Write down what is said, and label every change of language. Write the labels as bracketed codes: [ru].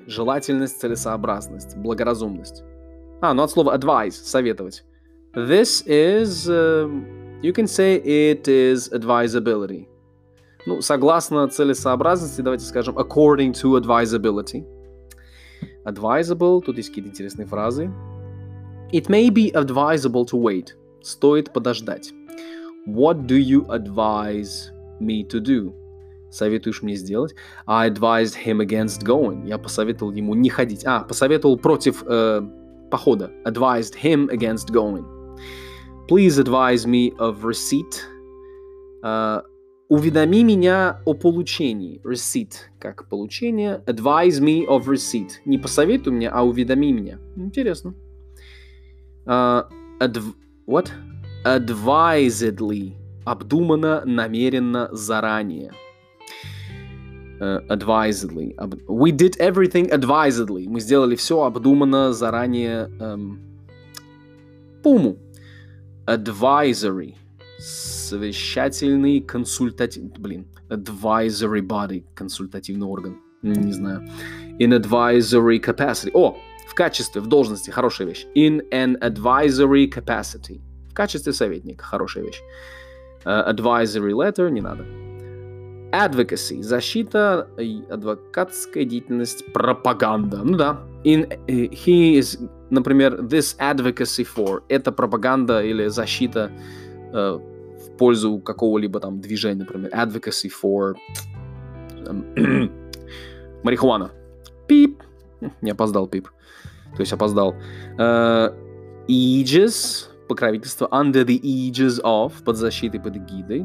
[ru] Желательность, целесообразность, благоразумность. А, ну от слова advise, советовать. [en] This is, you can say it is advisability. [ru] Ну, согласно целесообразности, давайте скажем [en] according to advisability. [ru] Advisable, тут есть какие-то интересные фразы. [en] It may be advisable to wait. [ru] Стоит подождать. [en] What do you advise me to do? [ru] Советуешь мне сделать? [en] I advised him against going. [ru] Я посоветовал ему не ходить. А, посоветовал против похода. [en] Advised him against going. Please advise me of receipt. [ru] Уведоми меня о получении. [en] Receipt. [ru] Как получение. [en] Advise me of receipt. [ru] Не посоветуй мне, а уведоми меня. Интересно. [en] What? Advisedly. [ru] Обдуманно, намеренно, заранее. [en] Advisedly. We did everything advisedly. [ru] Мы сделали все обдуманно, заранее. Пуму. [en] Advisory. [ru] Совещательный консультативный... Блин. [en] Advisory body. [ru] Консультативный орган. Не знаю. [en] In advisory capacity. [ru] О! В качестве, в должности. Хорошая вещь. [en] In an advisory capacity. [ru] В качестве советника. Хорошая вещь. [en] Advisory letter. [ru] Не надо. Advocacy. Защита, адвокатская деятельность, пропаганда. Ну да. [en] In, he is, например, this advocacy for. [ru] Это пропаганда или защита... в пользу какого-либо там движения, например, [en] advocacy for [ru] марихуана. Пип. Не опоздал, пип. То есть опоздал. Aegis, покровительство, [en] under the aegis of, [ru] под защитой, под эгидой.